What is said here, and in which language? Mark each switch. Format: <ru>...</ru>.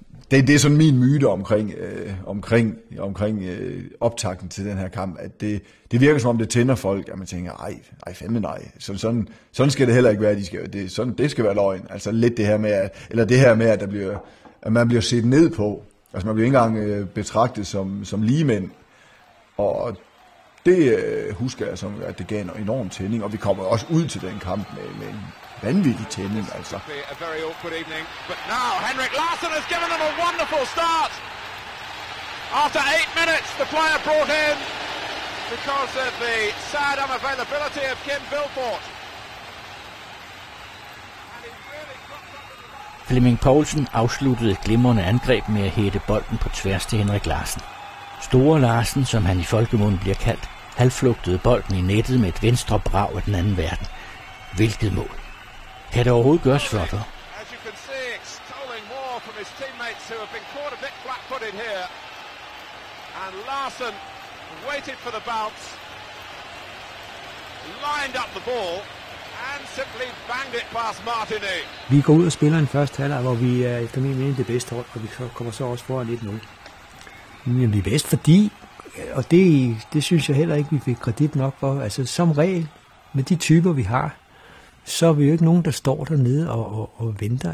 <da>det er sådan min myte omkring optakten til den her kamp, at det virker som om det tænder folk, at man tænker, ej fandme nej, sådan skal det heller ikke være, det skal være løgn, altså lidt det her med, at man bliver set ned på, altså man bliver ikke engang betragtet som ligemænd, og det husker jeg som, at det gav en enorm tænding, og vi kommer også ud til den kamp med vanvittig tænding, altså.</da> <en>A very awkward evening, but now Henrik Larsson has given them a wonderful start. After 8 minutes, the player brought in because of the sad unavailability of Kim Vilfort.</en> <da>Flemming Poulsen afsluttede et glimrende angreb med at hætte bolden på tværs til Henrik Larsson. Store Larsson, som han i folkemunden bliver kaldt, halvflugtede bolden i nettet med et venstre brag af den anden verden. Hvilket mål! Kan det overhovedet gøres flottere?</da> <en>As you can see, extolling more from his teammates who have been caught a bit flat-footed here. And Larsson waited for the bounce, lined up the ball, and simply banged it past Martini.</en> <da>Vi går ud og spiller en første halvleg, hvor vi er efter min mening det bedste hold, og vi kommer så også foran 1-0. Men vi er bedst, fordi, og det synes jeg heller ikke, vi fik kredit nok for, altså som regel, med de typer vi har, så er vi jo ikke nogen, der står dernede og venter.</da>